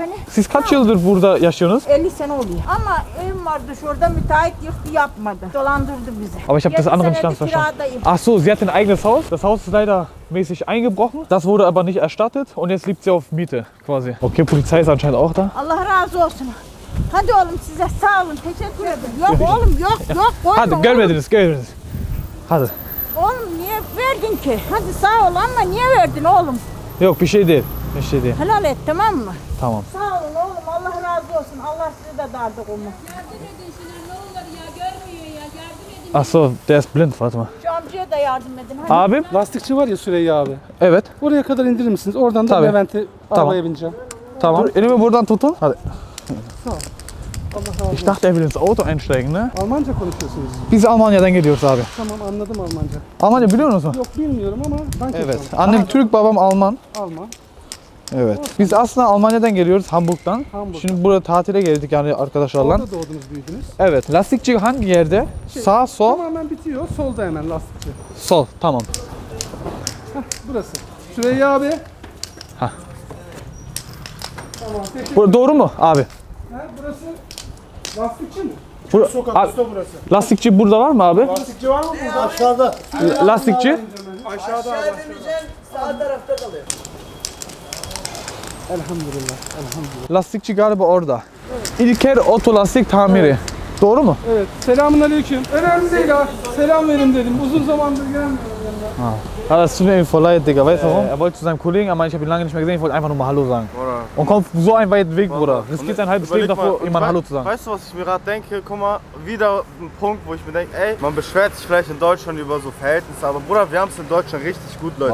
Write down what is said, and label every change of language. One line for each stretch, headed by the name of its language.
Turkish: Siz kaç yıldır burada yaşıyorsunuz? 50 sene oluyor. Ama evim vardı şurada, müteahhit yoktu, yapmadı. Dolandırdı bizi.
German: Aber ich habe das andere nicht ganz verstanden. Ach so, sie hat ein eigenes Haus. Das Haus ist leider mäßig eingebrochen. Das wurde aber nicht erstattet und jetzt liegt sie auf Miete quasi. Okay, Polizei ist anscheinend auch da.
Turkish: Allah razı olsun. Hadi oğlum size sağ olun. Teşekkür ederim. Yok oğlum, yok, yok. Hadi, görmediniz, görmediniz. Hadi. Oğlum niye verdin ki? Hadi sağ ol ama niye verdin oğlum? Yok, bir şey değil. Bir şey değil. Helal et, tamam mı? Tamam. Sağ olun oğlum, Allah razı olsun. Allah size de dardık olmaz.
German: Achso, der ist blind, warte mal.
Turkish: Amcaya da yardım edin. Hani? Abi? Lastikçi var ya Süreyya abi. Evet. Oraya kadar indirir misiniz? Oradan da Levent'i arabaya bineceğim. Tamam. Dur, elimi buradan tutun. Hadi. Sağ ol. Allah razı olsun.
German: Ich dachte, er will ins Auto einsteigen, ne?
Turkish: Almanca konuşuyorsunuz. Biz Almanya'dan geliyoruz abi. Tamam, anladım Almanca. Almanca biliyor musun? Yok, bilmiyorum ama ben kesin. Evet. Annem ha, Türk, babam Alman. Alman. Evet. Biz aslında Almanya'dan geliyoruz, Hamburg'dan. Hamburg. Şimdi burada tatile geldik yani arkadaşlarla. Orada doğdunuz, büyüdünüz. Evet. Lastikçi hangi yerde? Sağ, sol. Tamamen bitiyor. Solda hemen lastikçi. Sol, tamam. Heh, burası. Süreyya abi. Tamam, burası doğru mu abi? He, burası lastikçi mi? Sokak üstü burası. Lastikçi burada var mı abi? Lastikçi var mı burada? Aşağıda. Lastikçi? Aşağıda. Aşağıda sağ tarafta kalıyor. Elhamdülillah, elhamdülillah. Lastikçi galiba orada. Evet. İlker Otolastik Tamiri. Evet. Doğru mu? Evet. Selamun aleyküm. Önemli değil ha. Selam verin dedim. Uzun zamandır gelmiyorum yanına. Ha.
German: Das tut mir irgendwie voll leid, Digga. Weißt du warum? Er wollte zu seinem Kollegen, aber ich habe ihn lange nicht mehr gesehen. Ich wollte einfach nur mal Hallo sagen. Bruder. Und kommt so einen weiten Weg, Bruder. Das geht sein halbes Leben davor, ihm mal Hallo zu sagen. Weißt du, was ich mir gerade denke? Guck mal, wieder ein Punkt, wo ich mir denke, ey, man beschwert sich vielleicht in Deutschland über so Verhältnisse, aber Bruder, wir haben es in Deutschland richtig gut, Leute.